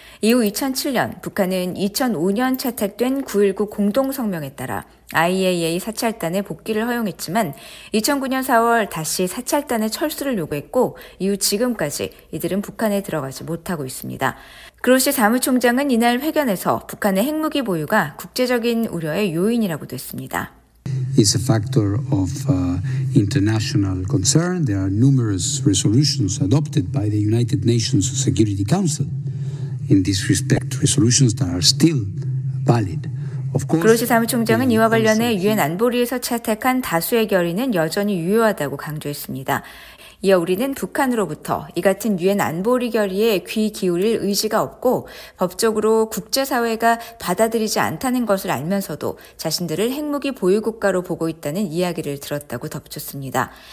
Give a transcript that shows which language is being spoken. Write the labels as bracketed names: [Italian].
[Korean] 이후 2007년 북한은 2005년 채택된 9.19 공동성명에 따라 IAEA 사찰단에 복귀를 허용했지만 2009년 4월 다시 사찰단에 철수를 요구했고 이후 지금까지 이들은 북한에 들어가지 못하고 있습니다. 그로시 사무총장은 이날 회견에서 북한의 핵무기 보유가 국제적인 우려의 요인이라고도 했습니다. [English] Is a factor of international concern. There are numerous resolutions adopted by the United Nations Security Council in this respect, resolutions that are still valid. [Korean] 그로시 사무총장은 이와 관련해 유엔 안보리에서 채택한 다수의 결의는 여전히 유효하다고 강조했습니다. 이어 우리는 북한으로부터 이 같은 유엔 안보리 결의에 귀 기울일 의지가 없고 법적으로 국제사회가 받아들이지 않다는 것을 알면서도 자신들을 핵무기 보유 국가로 보고 있다는 이야기를 들었다고 덧붙였습니다.